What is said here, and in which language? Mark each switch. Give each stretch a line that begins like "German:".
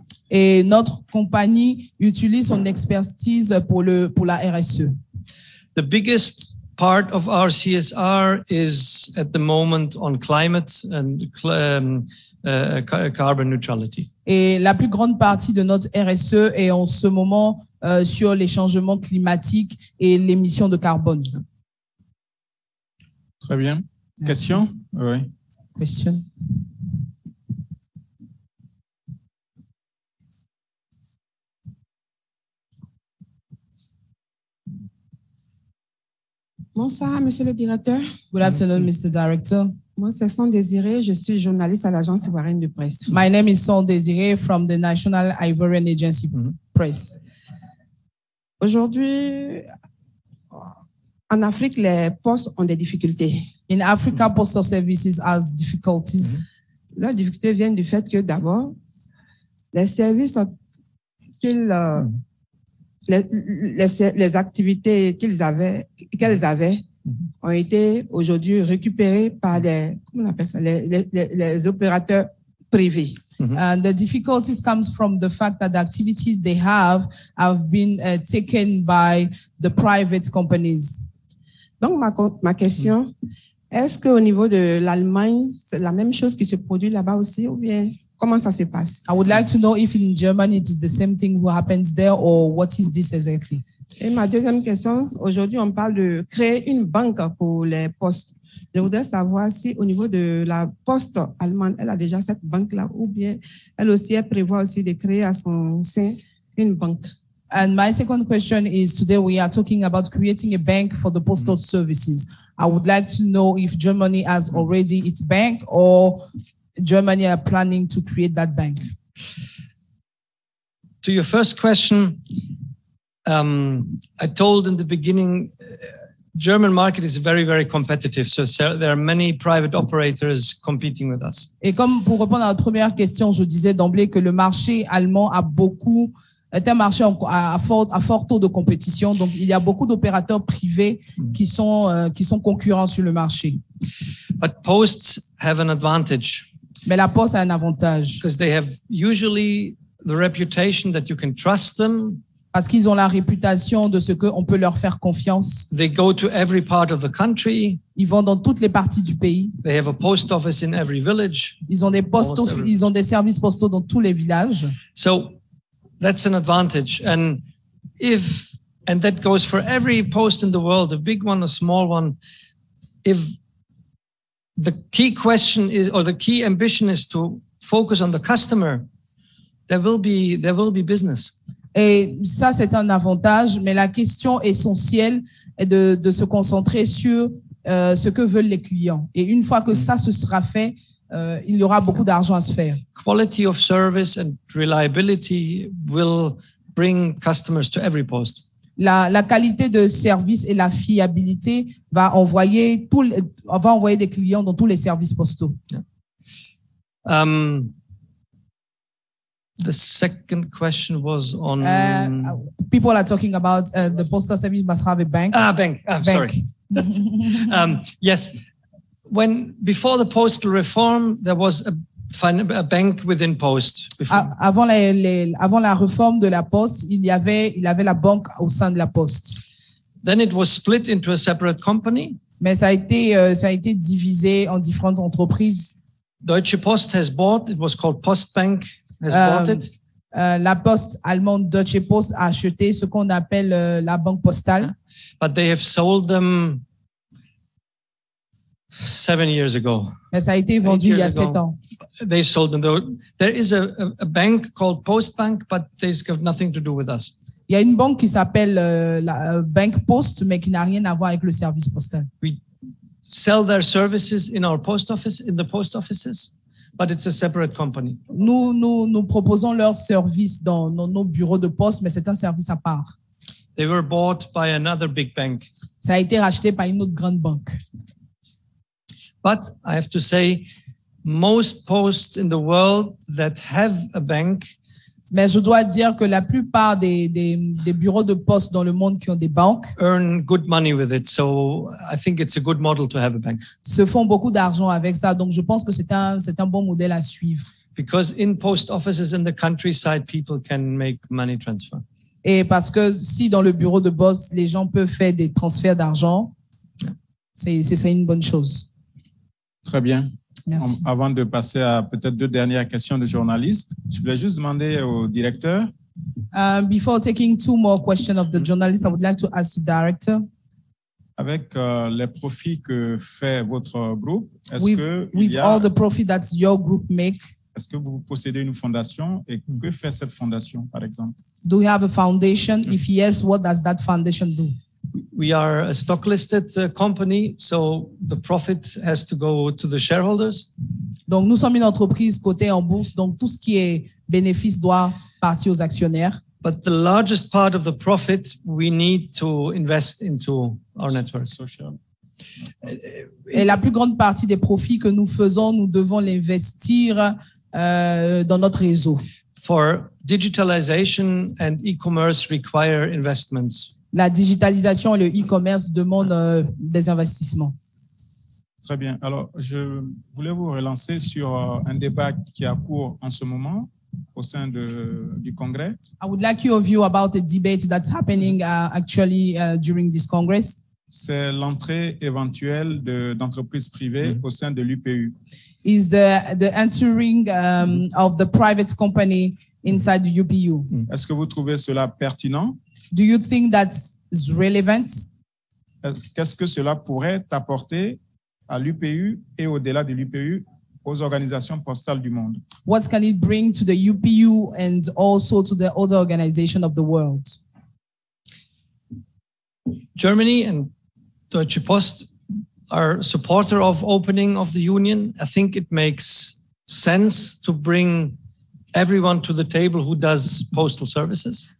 French: Et notre compagnie utilise son expertise pour la RSE.
English: The biggest part of our CSR is at the moment on climate and carbon neutrality.
French: Et la plus grande partie de notre RSE est en ce moment sur les changements climatiques et l'émission de carbone. Très bien. Question? Oui. Question. Bonsoir, Monsieur le Directeur.
English: Good afternoon, Mr. Director.
French: Moi, c'est Son Désiré. Je suis journaliste à l'agence Ivoirienne de presse.
English: My name is Son Désiré from the National Ivorian Agency Press.
French: Aujourd'hui, en Afrique, les postes ont des difficultés.
English: In Africa, postal services has difficulties.
French: Leurs difficultés viennent du fait que d'abord, les services qu'ils les activités qu'elles avaient ont été aujourd'hui récupérées par les opérateurs privés. Mm-hmm.
English: And the difficulties comes from the fact that the activities they have been taken by the private companies.
French: Donc ma question, est-ce que au niveau de l'Allemagne, c'est la même chose qui se produit là-bas aussi ou bien comment ça se passe?
English: I would like to know if in Germany it is the same thing who happens there or what is this exactly?
French: Et ma deuxième question, aujourd'hui on parle de créer une banque pour les postes. Je voudrais savoir si au niveau de la poste allemande, elle a déjà cette banque-là ou bien elle aussi, elle prévoit aussi de créer à son sein une banque.
English: And my second question is, today we are talking about creating a bank for the postal services. I would like to know if Germany has already its bank or Germany are planning to create that bank. To your first question, I told in the beginning, German market is very, very competitive. So there are many private operators competing with us.
French: Et comme pour répondre à la première question, je disais d'emblée que le marché allemand est un marché à fort taux de compétition. Donc il y a beaucoup d'opérateurs privés qui sont concurrents sur le marché.
English: But posts have an advantage.
French: Mais la poste a un avantage.
English: Because they have usually the reputation that you can trust them.
French: parce qu'ils ont la réputation de ce qu'on peut leur faire confiance.
English: They go to every part of the country.
French: Ils vont dans toutes les parties du pays.
English: They have a post office in every village.
French: Ils ont des postes, ils ont des services postaux dans tous les villages.
English: So that's an advantage. And if, and that goes for every post in the world, a big one, a small one, if the key question is, or the key ambition is to focus on the customer, there will be business.
French: Et ça, c'est un avantage, mais la question essentielle est de se concentrer sur ce que veulent les clients. Et une fois que ça se sera fait, il y aura beaucoup d'argent à se faire.
English: Quality of service and reliability will bring customers to every post.
French: La qualité de service et la fiabilité va envoyer des clients dans tous les services postaux.
English: Yeah. The second question was on... People are talking about the postal service must have a bank. Bank. Sorry. yes. Before the postal reform, there was a bank within post.
French: Avant la réforme de la poste, il y avait la banque au sein de la poste.
English: Then it was split into a separate company.
French: Mais ça a été divisé en différentes entreprises.
English: Deutsche Post has bought, it was called Postbank.
French: La poste allemande Deutsche Post a acheté ce qu'on appelle la banque postale.
English: But they have sold them 7 years ago.
French: Mais ça a été vendu il y a 7 ans.
English: They sold them. There is a bank called Postbank, but they've got nothing to do with us.
French: Il y a une banque qui s'appelle la Bank Post, mais qui n'a rien à voir avec le service postal.
English: We sell their services in our post office, in the post offices. But it's a separate company.
French: Nous proposons leurs services dans nos bureaux de poste, mais c'est un service à part.
English: They were bought by another big bank.
French: Ça a été racheté par une autre grande banque.
English: But I have to say, most posts in the world that have a bank.
French: Mais je dois dire que la plupart des bureaux de poste dans le monde qui ont des banques
English: earn good money with it, so I think it's a good model to have a bank.
French: Se font beaucoup d'argent avec ça, donc je pense que c'est un bon modèle à suivre.
English: Because in post offices in the countryside, people can make money transfer.
French: Et parce que si dans le bureau de poste les gens peuvent faire des transferts d'argent, c'est une bonne chose. Très bien. Merci. Avant de passer à peut-être deux dernières questions de journalistes, je voulais juste demander au directeur.
English: Before taking two more questions of the journalist, I would like to ask the director.
French: Avec les profits que fait votre groupe, est-ce que vous possédez une fondation et que fait cette fondation, par exemple?
English: Do you have a foundation? If yes, what does that foundation do? We are a stock-listed company, so the profit has to go to the shareholders.
French: Donc, nous sommes une entreprise cotée en bourse, donc tout ce qui est bénéfice doit partir aux actionnaires.
English: But the largest part of the profit, we need to invest into our network. Social.
French: Et la plus grande partie des profits que nous faisons, nous devons l'investir dans notre réseau.
English: For digitalization and e-commerce require investments.
French: La digitalisation et le e-commerce demandent des investissements. Très bien. Alors, je voulais vous relancer sur un débat qui est en cours en ce moment au sein du Congrès.
English: I would like your view about a debate that's happening actually during this Congress.
French: C'est l'entrée éventuelle d'entreprises privées au sein de l'UPU.
English: Is the entering of the private company inside the UPU.
French: Est-ce que vous trouvez cela pertinent?
English: Do you think that's relevant?
French: Qu'est-ce que cela pourrait apporter à l'UPU et au-delà de l'UPU aux organisations postales du monde?
English: What can it bring to the UPU and also to the other organization of the world? Germany and Deutsche Post are supporter of opening of the union. I think it makes sense to bring everyone to the table who does postal services.